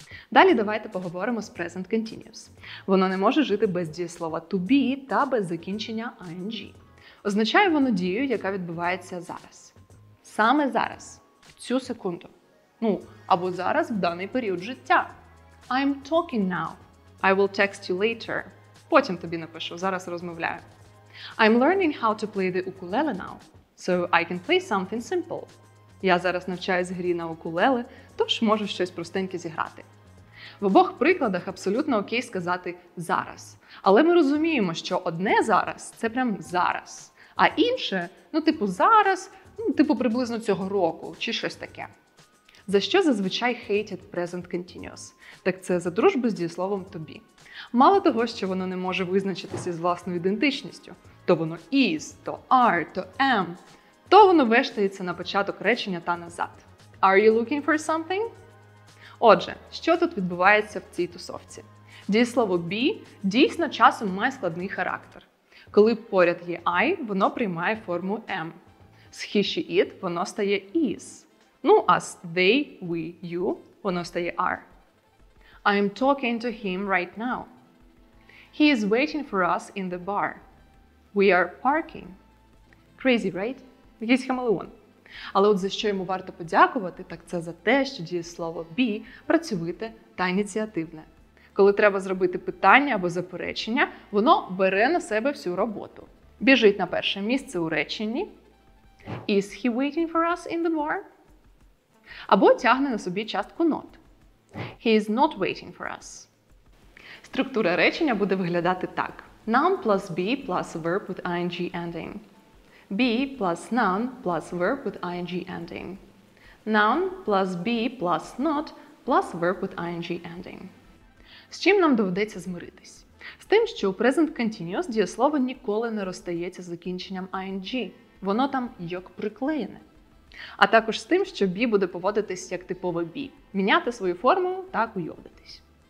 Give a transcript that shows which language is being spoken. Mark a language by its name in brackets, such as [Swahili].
[Ukrainian] Далі давайте поговоримо з Present Continuous. Воно не може жити без дієслова to be та без закінчення ing. Означає воно дію, яка відбувається зараз. Саме зараз, в цю секунду. Ну, або зараз, в даний період життя. [English] I'm talking now. I will text you later. [Ukrainian] Потім тобі напишу, зараз розмовляю. [English] I'm learning how to play the ukulele now, so I can play something simple. [Ukrainian] Я зараз навчаюсь грі на укулеле, тож можу щось простеньке зіграти. В обох прикладах абсолютно окей сказати «зараз». Але ми розуміємо, що одне «зараз» – це прям «зараз», а інше – ну, типу «зараз», ну, типу приблизно цього року, чи щось таке. За що зазвичай хейтять present continuous? Так це за дружбу з дієсловом «тобі». Мало того, що воно не може визначитися з власною ідентичністю, то воно «is», то «are», то «am», то воно вештається на початок речення та назад. [English] «Are you looking for something?» [Ukrainian] Отже, що тут відбувається в цій тусовці? Дієслово be дійсно часом має складний характер. Коли поряд є I, воно приймає форму am. Схищі it воно стає is. Ну, а з they, we, you воно стає are. [English] I'm talking to him right now. He is waiting for us in the bar. We are parking. Crazy, right? [Ukrainian] Якийсь хамелеон. Але от за що йому варто подякувати, так це за те, що дієслово be працьовите та ініціативне. Коли треба зробити питання або заперечення, воно бере на себе всю роботу. Біжить на перше місце у реченні. [English] Is he waiting for us in the bar? [Ukrainian] Або тягне на собі частку not. [English] He is not waiting for us. [Ukrainian] Структура речення буде виглядати так. [English] Noun plus be plus verb with ing ending. Be plus noun plus verb with ing ending. Noun plus be plus not plus verb with ing ending. [Ukrainian] З чим нам доведеться змиритись? З тим, що у present continuous дієслово ніколи не розстається з закінченням ing. Воно там як приклеєне. А також з тим, що be буде поводитись як типове be. Міняти свою форму та куйовдитись.